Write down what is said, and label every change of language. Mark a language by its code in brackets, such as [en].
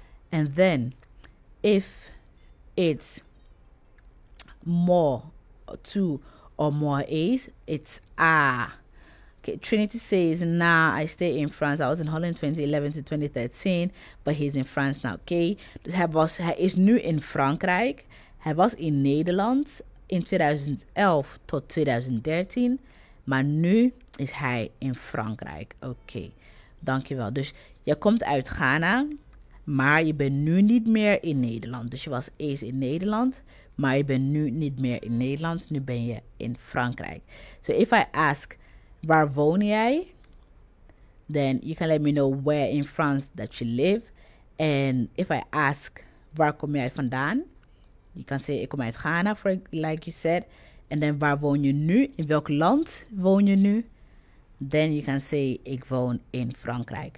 [en] And then if it's more, two or more A's, it's A. Trinity says, nah, I stay in France. I was in Holland 2011 to 2013, but he's in France now. [nl] Okay, dus hij is nu in Frankrijk. Hij was in Nederland in 2011 tot 2013, maar nu is hij in Frankrijk. Oké, dankjewel. Dus je komt uit Ghana, maar je bent nu niet meer in Nederland. Dus je was eerst in Nederland, maar je bent nu niet meer in Nederland. Nu ben je in Frankrijk. [en] So if I ask, [nl] waar woon jij? [en] Then you can let me know where in France that you live. And if I ask, [nl] waar kom jij vandaan? [en] You can say, [nl] ik kom uit Ghana, [en] for, like you said. And then, [nl] waar woon je nu? In welk land woon je nu? [en] Then you can say, [nl] ik woon in Frankrijk.